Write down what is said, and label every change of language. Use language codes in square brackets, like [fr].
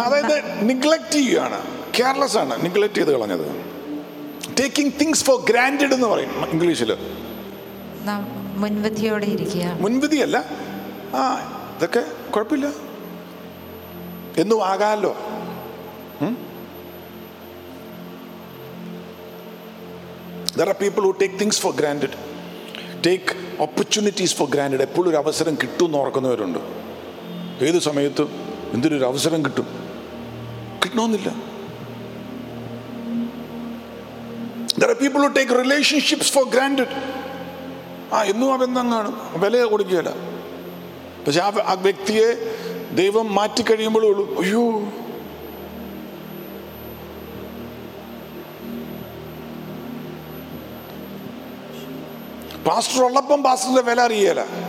[ml] അതായത് നെഗ്ലക്ട് ചെയ്യുകയാണ്, കെയർലെസ് ആണ്, നെഗ്ലക്ട് ചെയ്ത് കളഞ്ഞത്. [en] taking things for granted [ml] എന്ന് പറയും ഇംഗ്ലീഷിൽ. നാം മുൻവിധിയോടെ ഇരിക്കുക. മുൻവിധിയല്ല, ഇതൊക്കെ കുഴപ്പമില്ല എന്നും ആകാമല്ലോ. [en] There are people who take things for granted, take opportunities for granted. [ml] എപ്പോഴും ഒരു അവസരം കിട്ടും എന്ന് ഓർക്കുന്നവരുണ്ട്. ഏത് സമയത്തും എന്തൊരു ഒരു അവസരം കിട്ടും, കിട്ടണമെന്നില്ല. [en] There are people who take relationships for granted. [ml] എന്നും ആ ബന്ധം കാണും, വില കൊടുക്കുകയില്ല. പക്ഷെ ആ വ്യക്തിയെ ദൈവം മാറ്റിക്കഴിയുമ്പോഴേ ഉള്ളൂ, അയ്യോ പാസ്റ്റർ ഉള്ളപ്പം പാസ്റ്ററിന്റെ വില അറിയേല.